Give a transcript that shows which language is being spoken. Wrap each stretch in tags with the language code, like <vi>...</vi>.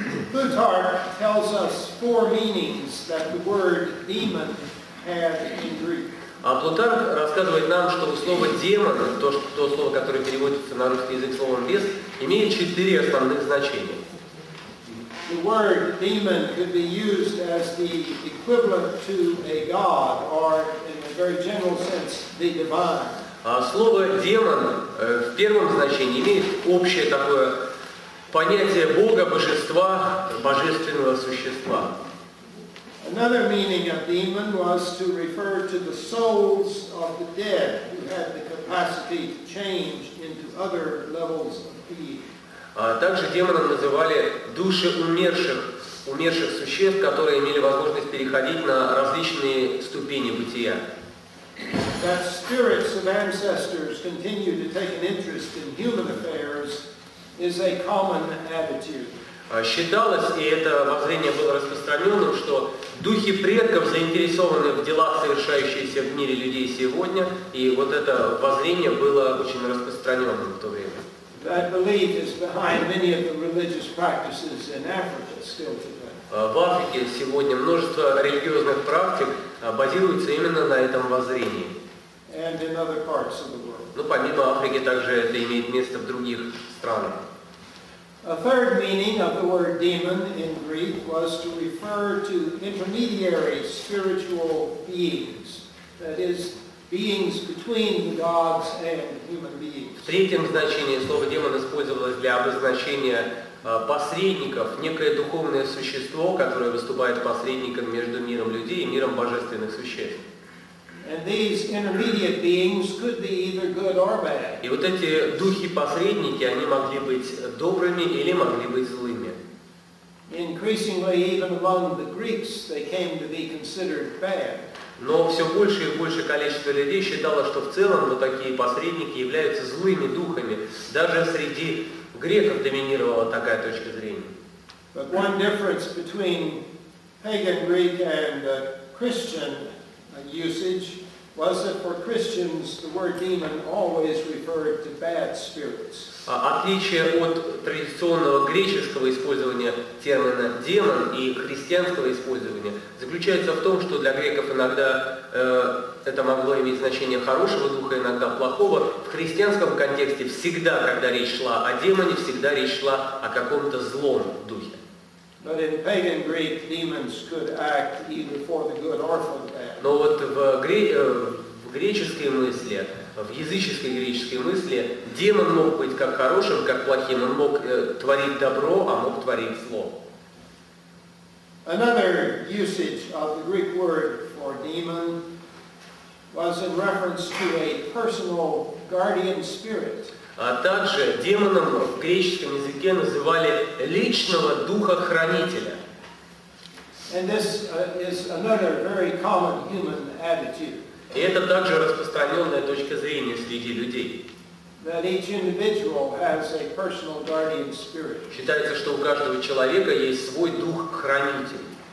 <en>Plutarch tells us four meanings that the word demon had in Greek.</en> <ru>А Плутарх рассказывает нам, что слово демон, то слово, которое переводится на русский язык словом бес, имеет четыре основных значения.</ru> <en>The word demon could be used as the equivalent to a god, or in a very general sense, the divine.</en> <ru>Слово демон в первом значении имеет общее такое понятие Бога, божества, божественного существа.</ru> <en>Another meaning of demon was to refer to the souls of the dead who had the capacity to change into other levels of being.</en> <ru>Также демоном называли души умерших существ, которые имели возможность переходить на различные ступени бытия.</ru> <en>That spirits of ancestors continue to take an interest in human affairs is a common attitude.</en> <ru>Считалось, и это воззрение было распространенным, что духи предков заинтересованы в делах, совершающихся в мире людей сегодня, и вот это воззрение было очень распространенным в то время.</ru> <en>That belief is behind many of the religious practices in Africa still today.</en> <ru>В Африке сегодня множество религиозных практик базируется именно на этом воззрении.</ru> <en>And in other parts of the world.</en> <ru>Ну, помимо Африки, также это имеет место в других странах.</ru> <en>A third meaning of the word demon in Greek was to refer to intermediary spiritual beings. That is, beings between gods and human beings.</en> <ru>В третьем значении слово демон использовалось для обозначения посредников, некое духовное существо, которое выступает посредником между миром людей и миром божественных существ.</ru> <en>And these intermediate beings could be either good or bad.</en> <ru>И вот эти духи-посредники, они могли быть добрыми или могли быть злыми.</ru> <en>Increasingly, even among the Greeks, they came to be considered bad.</en> <ru>Но все больше и больше количество людей считало, что в целом вот такие посредники являются злыми духами. Даже среди греков доминировала такая точка зрения.</ru> <en>But one difference between pagan Greek and Christian usage was that for Christians the word demon always referred to bad spirits.</en> <ru>Отличие от традиционного греческого использования термина демон и христианского использования заключается в том, что для греков иногда это могло иметь значение хорошего духа, иногда плохого. В христианском контексте всегда, когда речь шла о демоне, всегда речь шла о каком-то злом духе.</ru> <en>But in pagan Greek, demons could act either for the good or for the bad.</en> <ru>Но вот в греческой мысли, в языческой греческой мысли, демон мог быть как хорошим, как плохим. Он мог творить добро, а мог творить зло.</ru> <en>Another usage of the Greek word for demon was in reference to a personal guardian spirit.</en> <ru>А также демоном в греческом языке называли личного духа-хранителя.</ru> <en>And this is another very common human attitude.</en> <ru>И это также распространенная точка зрения среди людей.</ru> <en>That each individual has a personal guardian spirit.</en> <ru>Считается, что у каждого человека есть свой дух-хранитель.</ru>